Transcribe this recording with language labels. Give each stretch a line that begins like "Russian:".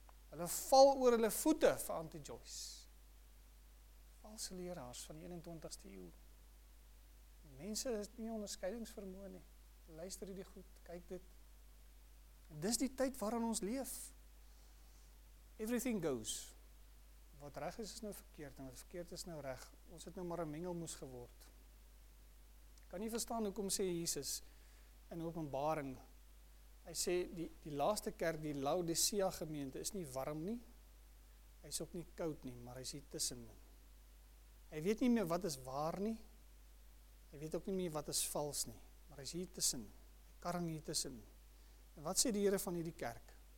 Afrikaans: Hulle val oor hulle voete vir Auntie Joyce. Valse leraars van die 21ste eeu. Mense het nie onderskeidingsvermoë nie. luister hierdie goed, kyk dit. En dis die tyd waarin ons leef.
English: Everything goes.
Afrikaans: Wat reg is, is nou verkeerd, en wat verkeerd is nou reg. Ons het nou maar een mengelmoes geword. Kan nie verstaan hoekom sê Jesus in Openbaring. Hy sê, die laaste kerk, die Laodicea gemeente, is nie warm nie. Hy is ook nie koud nie, maar hy is hier tussenin. Hy weet nie meer wat is waar nie. Hy weet ook nie meer wat is vals nie. Maar hy is hier tussen. Hy karring hier tussen. En wat sê die Here van hierdie kerk?